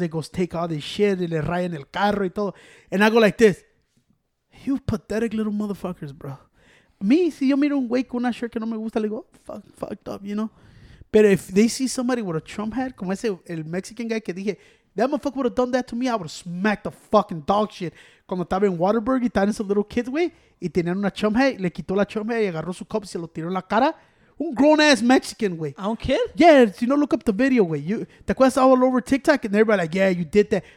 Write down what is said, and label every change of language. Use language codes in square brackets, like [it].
[en] They go take all this shit. [es] Y le rayan el carro y todo. [en] And I go like this. You pathetic little motherfuckers, bro. [es] Me, si yo miro un güey con una shirt que no me gusta, le go, fuck, fucked up, you know? [en] But if they see somebody with a Trump hat, como ese el Mexican guy que dije, that motherfucker would have done that to me, I would have smacked the fucking dog shit. [es] Cuando estaba en Waterburg y estaban esos little kids, güey, y tenían una Trump hat, le quitó la Trump hat y agarró su cup y se lo tiró en la cara. Un grown ass Mexican, güey. [en] I don't care. Yeah, you know, look up the video, güey. You, the quest all over TikTok and everybody like, yeah, you did that.